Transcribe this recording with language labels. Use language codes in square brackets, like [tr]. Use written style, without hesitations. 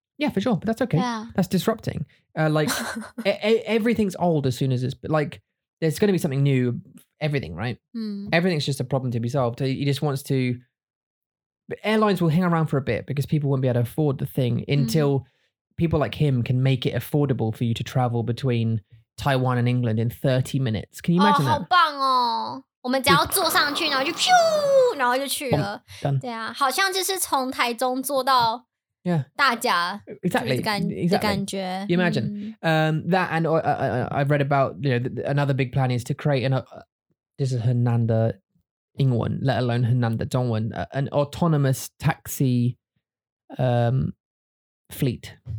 [en] Yeah, for sure. But that's okay. Yeah. That's disrupting. Like everything's old as soon as it's, like, there's going to be something new, everything, right? Mm. Everything's just a problem to be solved. So he just wants to, but airlines will hang around for a bit because people won't be able to afford the thing until people like him can make it affordable for you to travel between Taiwan and England in 30 minutes. Can you imagine that? [zh] 好棒哦! 我们只要坐上去, 然后就噗! 然后就去了。 [en] Done. [zh] 对啊,好像就是从台中坐到 大甲, [en] exactly. [zh] 的感觉。 [en] You imagine. That and I've read about, you know, another big plan is to create this is Hernanda 英文, let alone Hernanda 中文, an autonomous taxi fleet.